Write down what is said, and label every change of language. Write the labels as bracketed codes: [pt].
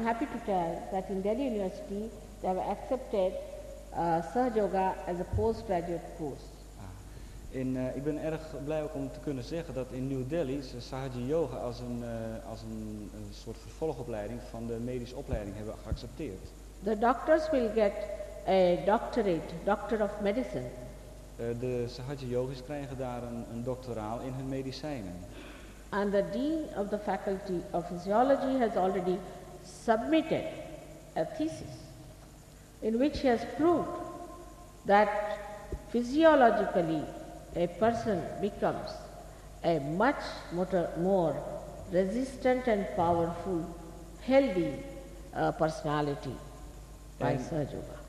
[en] I'm happy to tell that in Delhi University they have accepted Sahaja Yoga as a postgraduate course. [nl] Ik ben erg blij ook om te kunnen zeggen dat in New Delhi Sahaja Yoga als een soort vervolgopleiding van de medische opleiding hebben geaccepteerd. [en] The doctors will get a doctorate, doctor of medicine. [nl] De Sahaja Yogis krijgen daar een doctoraal in hun medicijnen. [en] And the dean of the faculty of physiology has already submitted a thesis in which he has proved that physiologically a person becomes a much more resistant and powerful, healthy personality by Sahaja Yoga.